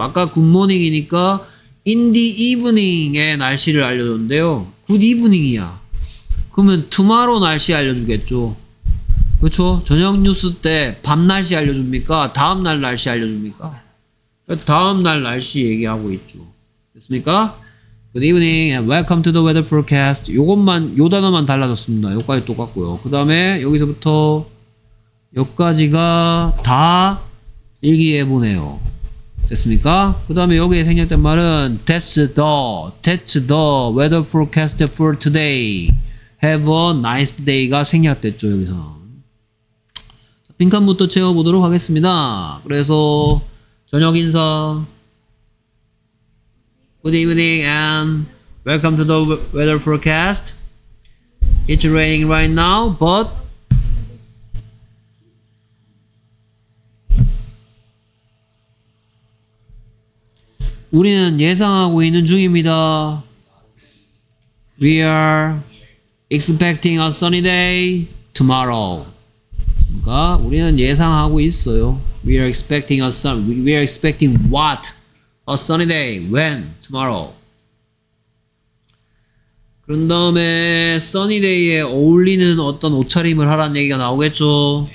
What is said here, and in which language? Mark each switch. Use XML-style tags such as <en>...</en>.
<ko>아까 good morning이니까 in the evening의 날씨를 알려줬는데요. good evening이야. 그러면 tomorrow 날씨 알려주겠죠. 그렇죠? 저녁 뉴스 때 밤 날씨 알려줍니까? 다음 날 날씨 알려줍니까? 다음 날 날씨 얘기하고 있죠. 됐습니까?</ko> <en>Good evening and welcome to the weather forecast.</en> <ko>요것만, 요 단어만 달라졌습니다. 요까지 똑같고요. 그 다음에 여기서부터 요까지가 다 일기예보네요. 됐습니까? 그 다음에 여기에 생략된 말은</ko> <en>that's the weather forecast for today. Have a nice day가</en> <ko>생략됐죠. 여기서 빈칸부터 채워보도록 하겠습니다. 그래서 저녁 인사</ko> <en>Good evening and welcome to the weather forecast. It's raining right now, but we are expecting a sunny day tomorrow.</en> <ko>그러니까 우리는 예상하고 있어요.</ko> <en>We are expecting a sun. We are expecting what? A sunny day. When? Tomorrow.</en> <ko>그런 다음에 sunny day에 어울리는 어떤 옷차림을 하라는 얘기가 나오겠죠.</ko>